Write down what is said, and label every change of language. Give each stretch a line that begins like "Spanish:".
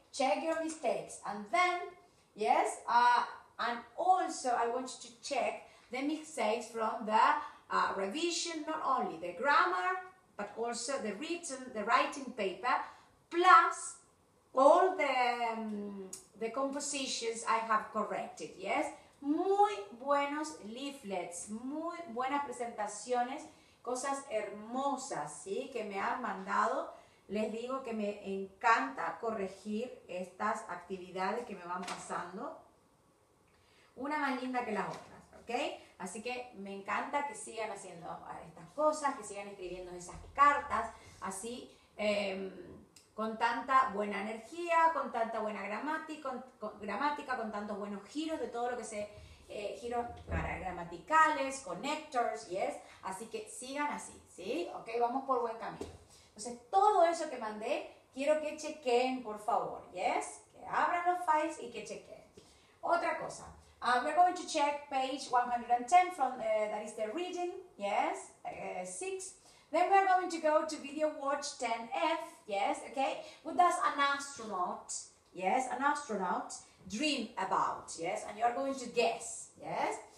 English: Check your mistakes. And then, yes, and also I want you to check the mistakes from the revision, not only the grammar, but also the written, the writing paper, plus all the compositions I have corrected, yes?
Spanish: Muy buenos leaflets, muy buenas presentaciones, cosas hermosas, ¿sí? Que me han mandado. Les digo que me encanta corregir estas actividades que me van pasando. Una más linda que las otras, ¿ok? Así que me encanta que sigan haciendo estas cosas, que sigan escribiendo esas cartas, así, con tanta buena energía, con tanta buena gramática, con tantos buenos giros de todo lo que se... giros paragramaticales, connectors, yes. Así que sigan así, ¿sí? Ok, vamos por buen camino. Entonces, todo eso que mandé, quiero que chequen, por favor, yes. Que abran los files y que chequen. Otra cosa.
English: We're going to check page 110 from, that is the reading, yes, 6. Then we're going to go to video watch 10F, yes, okay. What does an astronaut, yes, an astronaut, dream about, yes, and you're going to guess, yes.